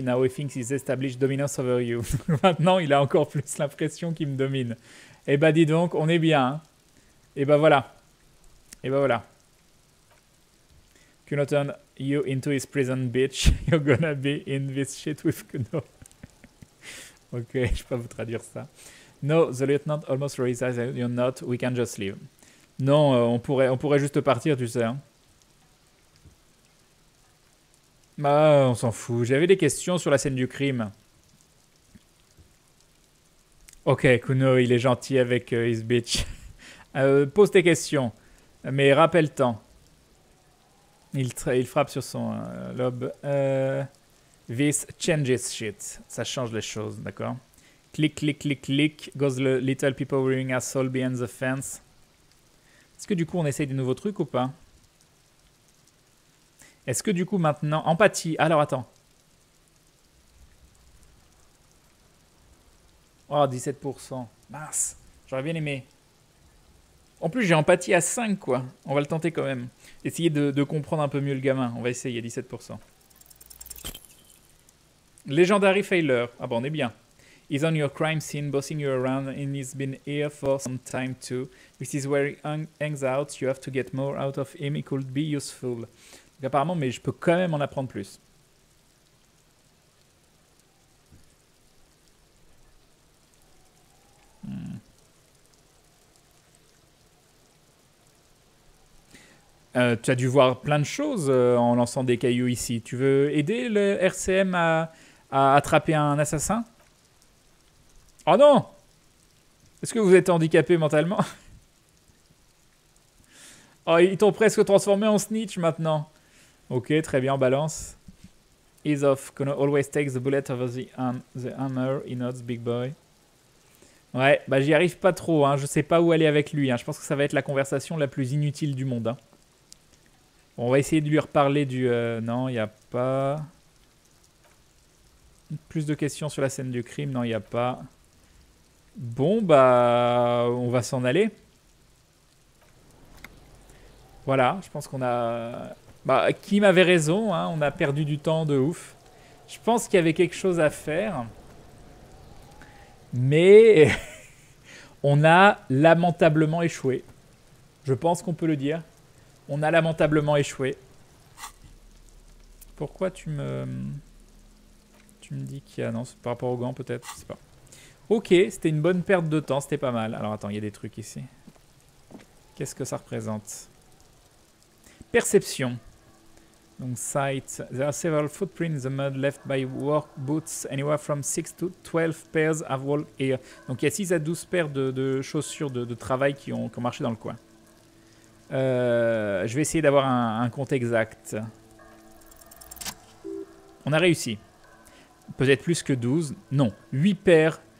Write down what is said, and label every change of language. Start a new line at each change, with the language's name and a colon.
English: Now he thinks he's established dominance over you.
French: Maintenant, il a encore plus l'impression qu'il me domine. Eh ben, dis donc, on est bien. Hein? Eh ben, voilà.
English: Kuno turned you into his prison, bitch. You're gonna be in this shit with Kuno.
French: Ok, je peux pas vous traduire ça.
English: No, the lieutenant almost realized you're not. We can just leave.
French: Non, on pourrait juste partir, tu sais. Hein? Bah, on s'en fout. J'avais des questions sur la scène du crime. Ok, Kuno, il est gentil avec
English: his bitch.
French: Pose tes questions, mais rappelle-t'en. Il frappe sur son lobe.
English: This changes shit.
French: Ça change les choses, d'accord? Click, click, click, click.
English: Goes the little people wearing asshole behind the fence.
French: Est-ce que du coup, on essaye des nouveaux trucs ou pas? Est-ce que du coup maintenant, empathie, alors attends. Oh, 17%, mince, j'aurais bien aimé. En plus, j'ai empathie à 5, quoi. On va le tenter quand même. Essayer de comprendre un peu mieux le gamin. On va essayer, 17%.
English: Legendary failure.
French: Ah bon, on est bien.
English: He's on your crime scene, bossing you around, and he's been here for some time too. This is where he hangs out. You have to get more out of him. He could be useful.
French: Donc apparemment, mais je peux quand même en apprendre plus. Tu as dû voir plein de choses en lançant des cailloux ici. Tu veux aider le RCM à attraper un assassin? Oh non! Est-ce que vous êtes handicapé mentalement? Oh, ils t'ont presque transformé en snitch maintenant. Ok, très bien, balance.
English: Ease off, Kuno always takes the bullet over the hammer, he nods, big boy.
French: Ouais, bah j'y arrive pas trop, hein. Je sais pas où aller avec lui. Hein. Je pense que ça va être la conversation la plus inutile du monde. Hein. Bon, on va essayer de lui reparler du... non, il n'y a pas... Plus de questions sur la scène du crime, non, il n'y a pas... Bon, bah... On va s'en aller. Voilà, je pense qu'on a... Bah, Kim avait raison, hein, on a perdu du temps de ouf. Je pense qu'il y avait quelque chose à faire. Mais on a lamentablement échoué. Je pense qu'on peut le dire. On a lamentablement échoué. Pourquoi tu me dis qu'il y a... Non, c'est par rapport au gant peut-être, je sais pas. Ok, c'était une bonne perte de temps, c'était pas mal. Alors attends, il y a des trucs ici. Qu'est-ce que ça représente? Perception. Donc, site.
English: There are several footprints in the mud left by work boots. Anywhere from 6 to 12 pairs have walked here.
French: Donc, il y a 6 à 12 paires de chaussures de travail qui ont marché dans le coin. Je vais essayer d'avoir un compte exact. On a réussi. Peut-être plus que 12. Non. 8 paires